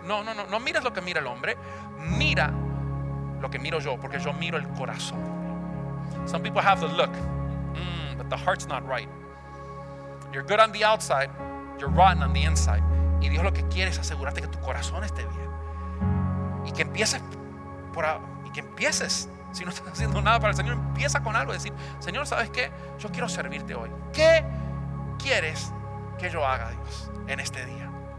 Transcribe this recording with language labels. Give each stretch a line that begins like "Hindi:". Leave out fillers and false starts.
Spanish: No mires lo que mira el hombre, mira lo que miro yo, porque yo miro el corazón.
English: Some people have the look, but the heart's not right. You're good on the outside, you're rotten on the inside.
Spanish: Y Dios lo que quiere es asegurarte que tu corazón esté bien. Y que empieces, si no estás haciendo nada para el Señor, empieza con algo y decir: Señor, ¿sabes qué? Yo quiero servirte hoy. ¿Qué quieres que yo haga, Dios, en este día?